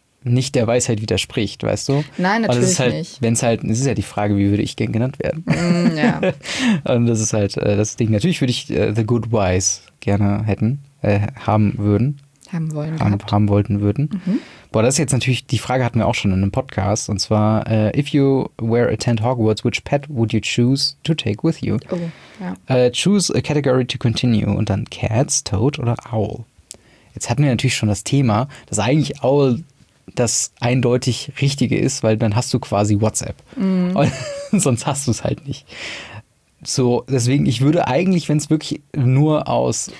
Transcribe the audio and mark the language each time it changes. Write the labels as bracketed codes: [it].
[de] nicht der Weisheit widerspricht, weißt du? Nein, natürlich das ist halt, nicht. Wenn's halt, das ist ja die Frage, wie würde ich gern genannt werden? Mm, ja. Und das ist halt das Ding. Natürlich würde ich The Good Wise gerne hätten, haben würden. Haben wollen. Haben wollten würden. Mhm. Boah, das ist jetzt natürlich, die Frage hatten wir auch schon in einem Podcast. Und zwar, [en] if you were a tent Hogwarts, which pet would you choose to take with you? [de] Oh, ja. [en] Choose a category to continue. [de] Und dann Cats, Toad oder Owl. Jetzt hatten wir natürlich schon das Thema, dass eigentlich Owl das eindeutig Richtige ist, weil dann hast du quasi WhatsApp. Mhm. Und sonst hast du es halt nicht. So, deswegen, ich würde eigentlich, wenn es wirklich nur aus...